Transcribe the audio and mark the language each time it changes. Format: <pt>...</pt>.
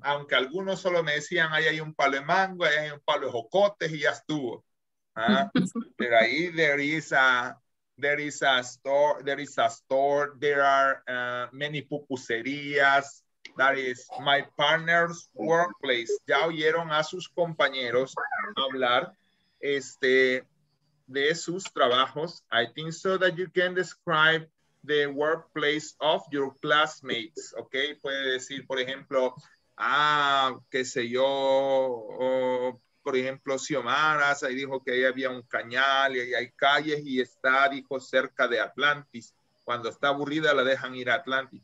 <es>Aunque algunos solo me decían, ahí hay un palo de mango, ahí hay un palo de jocotes, y ya estuvo. Pero ahí,</es> <en>there is a store, there are many pupuserías, that is my partner's workplace.</en> <es>Ya oyeron a sus compañeros hablar de sus trabajos.</es> <en>I think so that you can describe the workplace of your classmates, okay?</en> <es>Puede decir, por ejemplo, qué sé yo, por ejemplo, Xiomara, ahí dijo que ahí había un cañal y ahí hay calles y está, dijo, cerca de Atlantis. Cuando está aburrida la dejan ir a Atlantis.</es>